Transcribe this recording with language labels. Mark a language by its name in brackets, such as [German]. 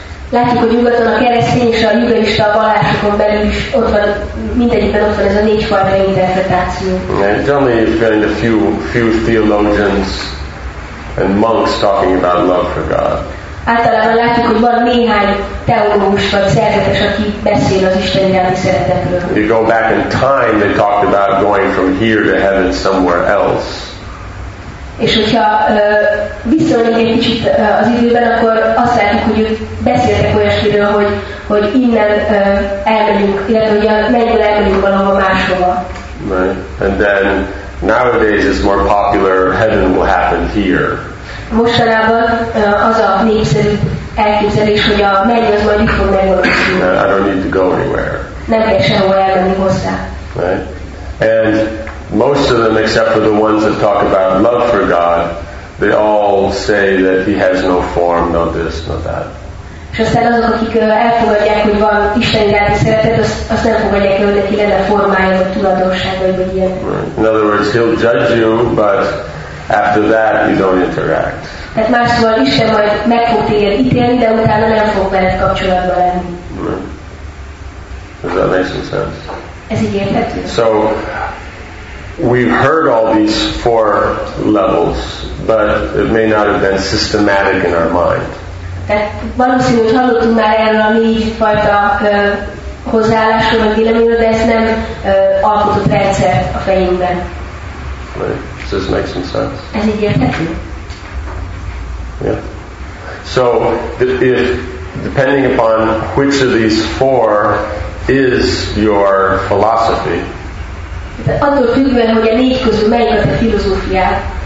[Hungarian] Látjuk, hogy nyugaton a keresztény és a judaista vallások olvasáson belül is ott van, mindegyikben ott van ez a négy fajta interpretáció. [English] And tell me if there are a few theologians and monks talking about love for God. [Hungarian] Általában látjuk, hogy van néhány teológus vagy szerzetes, aki beszél az Isten iránti szeretetről. [English] You go back in time, they talked about going from here to heaven somewhere else. [Hungarian] És hogyha visszamegyünk egy kicsit az időben, akkor azt látjuk, hogy ők beszéltek olyasmiről, hogy innen elmegyünk, illetve hogy mennyire elmegyünk valahova máshova. [English] Right. And then nowadays it's more popular, heaven will happen here. [Hungarian] Mostanában az a népszerű elképzelés, hogy a mennyi az majd itt fog megvalósulni. [English] I don't need to go anywhere. [Hungarian] Nem kell sehol elmenni hozzá. [English] Right. And most of them, except for the ones that talk about love for God, they all say that he has no form, no this, no that. [Hungarian] És aztán azok, akik elfogadják, hogy van Isten iránti szeretet, azt nem fogadják el, hogy neki lenne formája, vagy tulajdonsága, vagy ilyen. [English] In other words, he'll judge you, but after that, you don't interact. [Hungarian] Tehát más szóval Isten majd meg fog téged ítélni, de utána nem fog veled kapcsolatban lenni. [English] Does that make some sense? [Hungarian] Ez így érthető? [English] So, we've heard all these four levels, but it may not have been systematic in our mind. [Hungarian] Tehát valószínűleg hallottunk már erről a négy fajta hozzáállásról, vagy véleményről, de ezt nem alkotott rendszer a fejünkben. [English] Does this make some sense? [Hungarian] Ez így érthető? [English] Yeah. So, if depending upon which of these four is your philosophy, [Hungarian] de attól függően, hogy a négy közül melyik a te filozófiád.